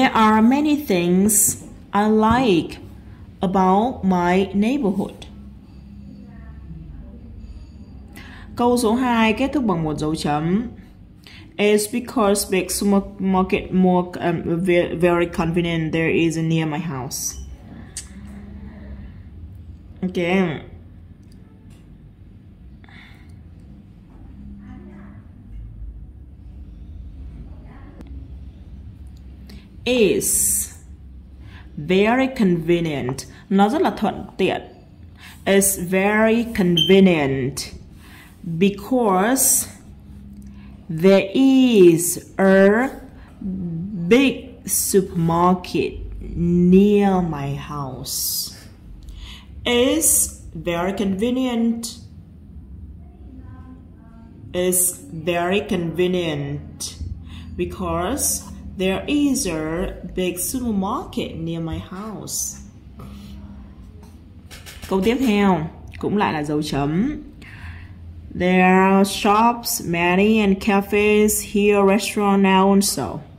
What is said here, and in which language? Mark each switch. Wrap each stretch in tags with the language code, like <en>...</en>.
<en>There are many things I like about my neighborhood.</en> <vi>Câu số 2 kết thúc bằng một dấu chấm.</vi> <en>It's because big supermarket more very convenient there is near my house. Ok. Is very convenient.</en> <vi>Nó rất là thuận tiện.</vi> <en>Is very convenient because there is a big supermarket near my house. Is very convenient. Is very convenient because there is a big supermarket near my house.</en> <vi>Câu tiếp theo cũng lại là dấu chấm.</vi> <en>There are shops, many and cafes here, restaurant now and so.</en>